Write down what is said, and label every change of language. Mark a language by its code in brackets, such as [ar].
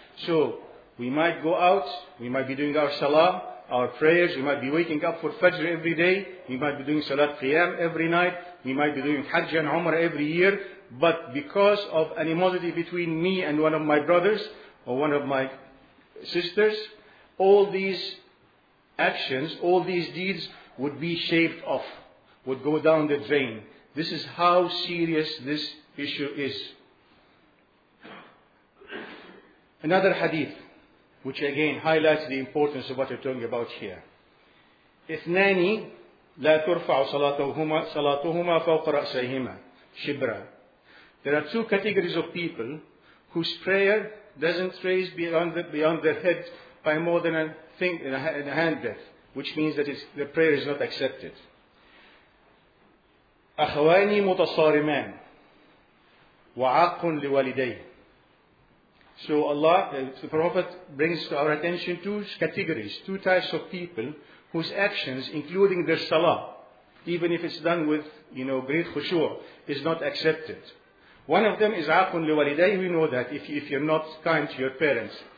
[en] So, we might go out, we might be doing our salah, our prayers, we might be waking up for fajr every day, we might be doing salat qiyam every night, we might be doing hajj and umrah every year, but because of animosity between me and one of my brothers, or one of my sisters, all these actions, all these deeds would be shaved off, would go down the drain. This is how serious this issue is. Another hadith, which again highlights the importance of what we're talking about here. [ar] إثنان لا ترفع صلاتهما فوق رأسيهما شبرا. [en] There are two categories of people whose prayer doesn't raise beyond their head by more than a thing in a hand breadth, which means that the prayer is not accepted. [ar] أخواني متصارمان وعاق لوالدي. [en] So Allah, the Prophet brings to our attention two categories, two types of people whose actions, including their salah, even if it's done with, you know, great khushu', is not accepted. One of them is [ar] عاق لوالدي. [en] We know that if you're not kind to your parents.